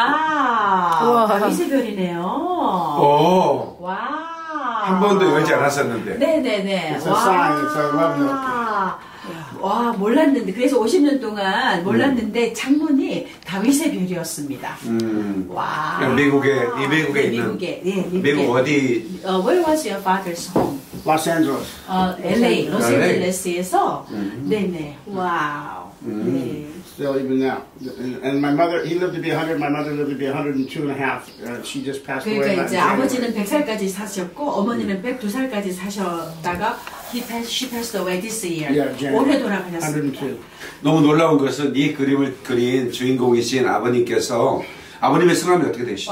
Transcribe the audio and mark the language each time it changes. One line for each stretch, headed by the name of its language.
English: When I open the window, that's what I got.
Korean: 다비스별이네요.
English: Oh, wow.
Korean: 한 번도 열지 않았었는데. 네네네.
English: It's a sign. It's a love.
Korean: 와, 몰랐는데. 그래서 50년 동안 몰랐는데 창문이 다비스별이었습니다. 와. 미국에 이 미국에 있는. 미국에. 네, 미국 어디?
English: Where was your father's home? Los Angeles.
Korean: LA, Los Angeles에서. 네네. 와우.
English: Still even now. And my mother, he lived to be 100, my mother lived to be 102 and a half. She just passed
Korean: 그러니까
English: away.
Korean: 이제 아버지는 100살까지 사셨고 어머니는 102살까지 사셨다가
English: she passed away this year. Yeah,
Korean: 올해 돌아가셨습니다. 너무 놀라운 것은 이 그림을 그린 주인공이신 아버님께서 아버님의 성함이 어떻게 되시죠?